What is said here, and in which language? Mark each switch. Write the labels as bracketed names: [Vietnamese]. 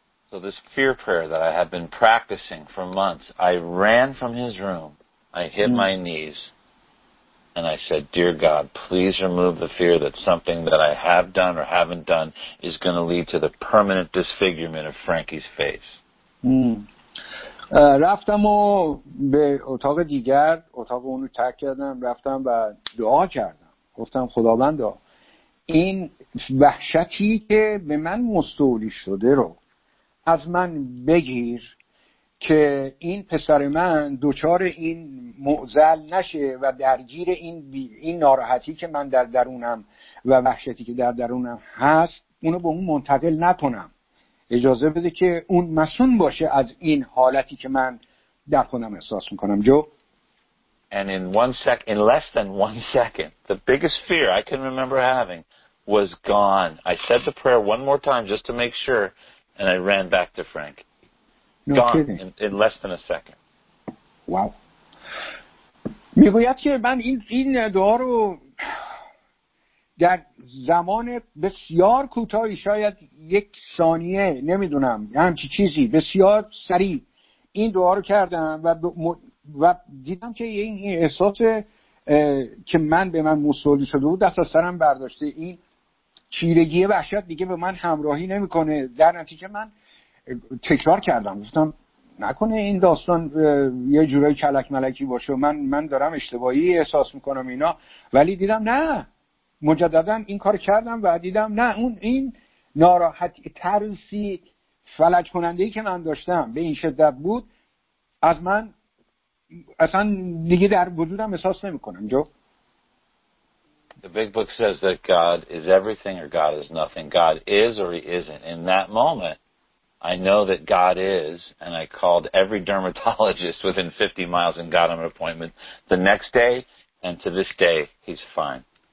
[English] So this fear prayer that I have been practicing for months, I ran from his room, I hit my knees. And I said, "Dear God, please remove the fear that something that I have done or haven't done is going to lead to the permanent disfigurement of Frankie's face." [Persian] رفتم و به اتاق دیگر، اتاق اونو ترک کردم، رفتم و دعا کردم. گفتم خداوند، این وحشتی که به من مستولی شده رو از من بگیر، که این پسر من دوچار این معضل نشه و درگیر این ناراحتی که من در درونم و وحشتی که در درونم هست اونو به اون منتقل نکنم. اجازه بده که اون مسون باشه از این حالتی که من در خودم احساس میکنم. جو. [English] And in one second, in less than one second, the biggest fear I can remember having was gone. I said the prayer one more time just to make sure, and I ran back to Frank. Gone in less than a second. Wow. [Persian] میگوید که من این دعا رو در زمان بسیار کوتاهی، شاید یک ثانیه، نمیدونم، همچی چیزی، بسیار سریع این دعا رو کردم و دیدم که این احساس که من به من موصول شده بود دست از سرم برداشته. این چیرگی وحشت دیگه به من همراهی نمیکنه. در نتیجه من تکرار کردم، گفتم نکنه این داستان یه جورای کلک ملکی باشه، من دارم اشتباهی احساس میکنم اینا. ولی دیدم نه، مجددا این کار کردم و دیدم نه، اون این ناراحتی، ترسی فلج کننده‌ای که من داشتم به این شدت بود، از من اصلا دیگه در وجودم احساس نمیکنم. جو. [English] The big book says that God is everything or God is nothing. God is or he isn't. In that moment I know that God is, and I called every dermatologist within 50 miles and got him an appointment the next day, and to this day, he's fine.